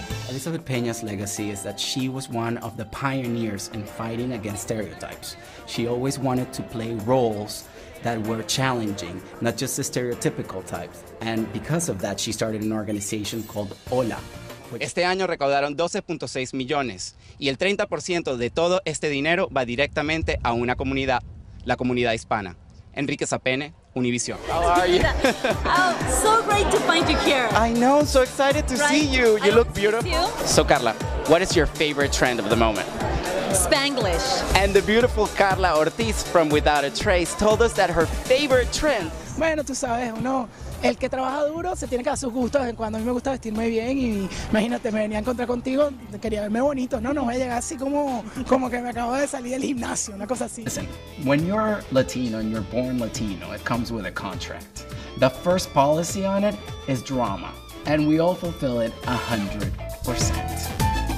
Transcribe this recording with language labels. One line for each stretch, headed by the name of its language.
English: Elizabeth Peña's legacy is that she was one of the pioneers in fighting against stereotypes. She always wanted to play roles that were challenging, not just the stereotypical types. And because of that, she started an organization called Hola.
Spanish: Este año recaudaron 12.6 millones y el 30% de todo este dinero va directamente a una comunidad, la comunidad hispana. Enrique Sapene, Univision.
English: How are you? Oh, so great to find you here. I know, so excited to see you. You look beautiful. So Carla, what is your favorite trend of the moment? Spanglish. And the beautiful Carla Ortiz from Without a Trace told us that her favorite trend.
Spanish: Bueno, tú sabes, uno, el que trabaja duro se tiene que dar sus gustos. Cuando a mí me gusta vestirme bien y imagínate, me venía a encontrar contigo, quería verme bonito. No, no, voy a llegar así como que me acabo de salir del gimnasio, una cosa así.
English: Listen, when you're Latino and you're born Latino, it comes with a contract. The first policy on it is drama. And we all fulfill it 100%.